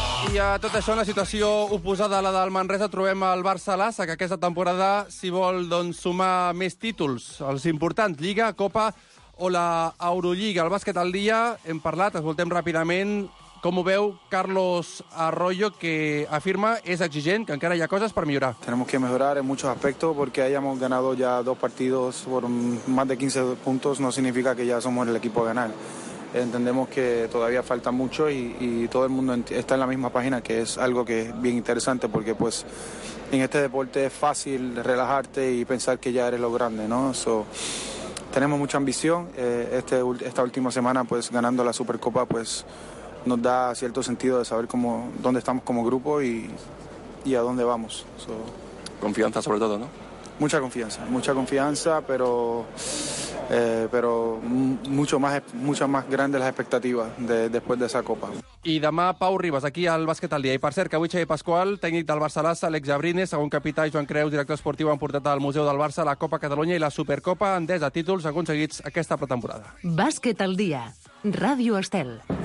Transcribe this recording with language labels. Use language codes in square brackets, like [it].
[ca] I a tot això, una situació oposada a la del Manresa, trobem el Barça l'Asa, que aquesta temporada, si vol, doncs, sumar més títols, els importants, Lliga, Copa o la Eurolliga. El bàsquet al dia, hem parlat, escoltem ràpidament com ho veu Carlos Arroyo, que afirma és exigent, que encara hi ha coses per millorar. [es] Tenemos que mejorar en muchos aspectos, porque hayamos ganado ya dos partidos por más de 15 puntos no significa que ya somos el equipo a ganar. Entendemos que todavía falta mucho y todo el mundo está en la misma página, que es algo que es bien interesante, porque pues en este deporte es fácil relajarte y pensar que ya eres lo grande, ¿no? So, tenemos mucha ambición. Esta última semana, pues ganando la Supercopa, pues nos da cierto sentido de saber dónde estamos como grupo y a dónde vamos. Confianza sobre todo, ¿no? Mucha confianza, pero mucho más grandes las expectativas después de esa copa. [ca] I demà Pau Ribas, aquí al Bàsquet al Dia. I per cert, que avui Xavi Pascual, tècnic del Barça l'Assa, Àlex Jabrines, segon capità Joan Creus, director esportiu, han portat al Museu del Barça la Copa Catalunya i la Supercopa Endesa, títols aconseguits aquesta pretemporada. Bàsquet al Dia, Ràdio Estel.